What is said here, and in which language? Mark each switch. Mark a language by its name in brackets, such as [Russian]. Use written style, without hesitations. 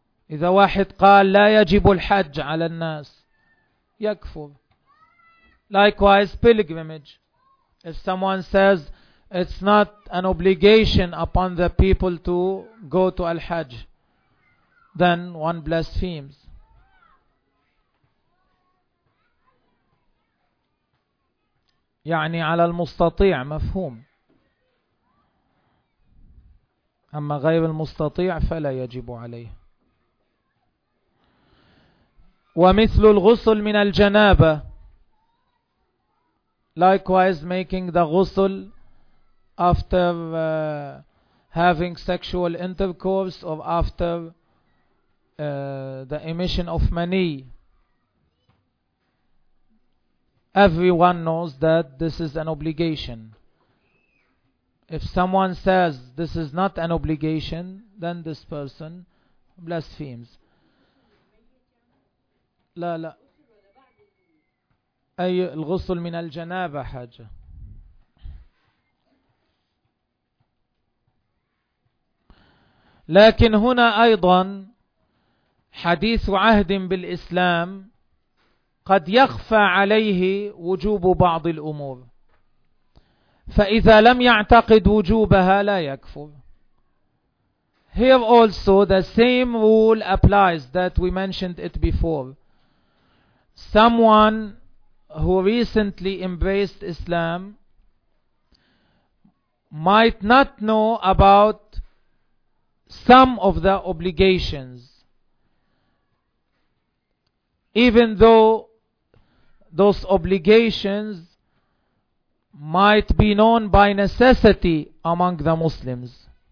[Arabic] إذا واحد قال لا يجب الحج على الناس يكفر. [English] Likewise, pilgrimage. If someone says it's not an obligation upon the people to go to Al-Hajj, then one blasphemes. [Arabic] يعني على المستطيع مفهوم. أما غير المستطيع فلا يجب عليه. ومثل الغسل من الجنابة. [English] Likewise, making the ghusl after having sexual intercourse or after the emission of mani. Everyone knows that this is an obligation. If someone says this is not an obligation, then this person blasphemes. [Arabic] لا لا أي الغسل من الجنابة حاجة. لكن هنا أيضا حديث عهد بالإسلام قد يخفى عليه وجوب بعض الأمور، فإذا لم يعتقد وجوبها لا يكفر. [English] Here also the same rule applies that we mentioned it before. Someone who recently embraced Islam might not know about some of the obligations, even though those obligations might be known by necessity among the Muslims.